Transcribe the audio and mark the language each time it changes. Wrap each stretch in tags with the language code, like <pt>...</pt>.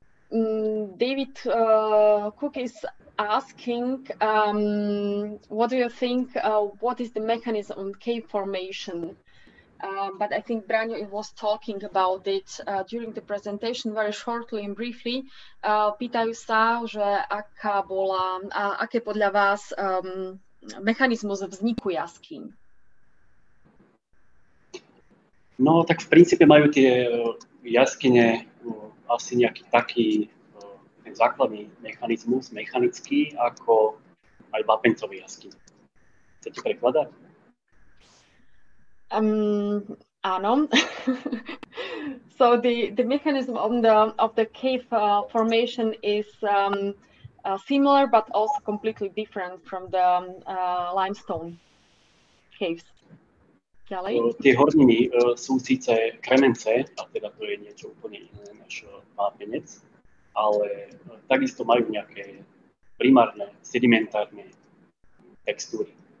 <en>David Cook is asking, what do you think, what is the mechanism of cave formation? But I think Branio was talking about it during the presentation very shortly and briefly.</en> <sk>Pýtajú sa, že aká bola, a aké podľa vás mechanizmus vzniku jaskýň? No, tak v princípe majú tie jaskyne asi nejaký taký základný mechanizmus, mechanický, ako aj vápencové jaskyne. Chcete prekladať? Áno.</sk> <en>So the mechanism of the cave formation is similar, but also completely different from the limestone caves.</en> <sk>Ďalej. Tie horniny sú síce kremence, a teda to je niečo úplne iné než vápenec, ale takisto majú nejaké primárne sedimentárne textúry.</sk>